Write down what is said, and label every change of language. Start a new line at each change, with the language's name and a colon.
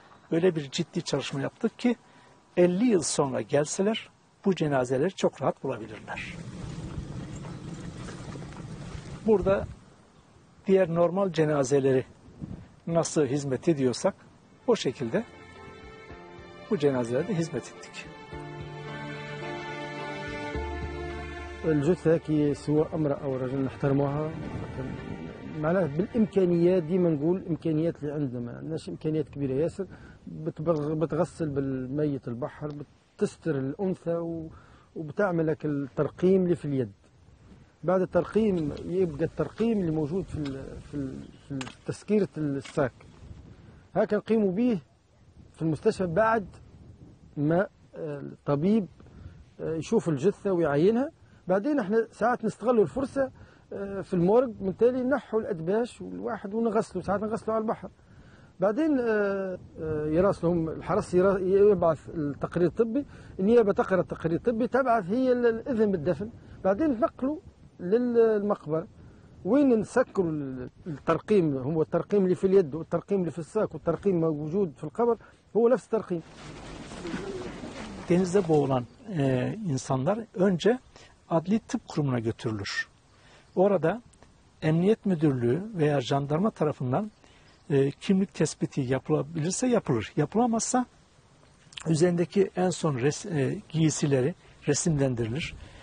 Turkish: Öyle bir ciddi çalışma yaptık ki 50 yıl sonra gelseler bu cenazeleri çok rahat bulabilirler. Burada diğer normal cenazeleri nasıl hizmet ediyorsak o şekilde bu cenazelerde hizmet ettik.
Arabic: الجثة كي سواء امرأة أو رجل نحترمها معناها بالإمكانيات ديما نقول الإمكانيات اللي عندنا ما عندناش إمكانيات كبيرة ياسر بتغسل بالميت البحر بتستر الأنثى وبتعمل لك الترقيم اللي في اليد بعد الترقيم يبقى الترقيم اللي موجود في تسكيرة الساك هكا نقيموا به في المستشفى بعد ما الطبيب يشوف الجثة ويعينها بعدين احنا ساعات نستغلوا الفرصه في المورج من تالي نحوا الادباش والواحد ونغسلوا ساعات نغسلوا على البحر بعدين يراسلهم الحرس يبعث التقرير الطبي النيابه تقرا التقرير الطبي تبعث هي الاذن بالدفن بعدين نقلوا للمقبره وين نسكروا الترقيم هو الترقيم اللي في اليد والترقيم اللي في الساك والترقيم موجود في القبر هو نفس الترقيم
Turkish: denizde boğulan insanlar önce Adli Tıp Kurumu'na götürülür. Orada Emniyet Müdürlüğü veya Jandarma tarafından kimlik tespiti yapılabilirse yapılır. Yapılamazsa üzerindeki en son giysileri resimlendirilir.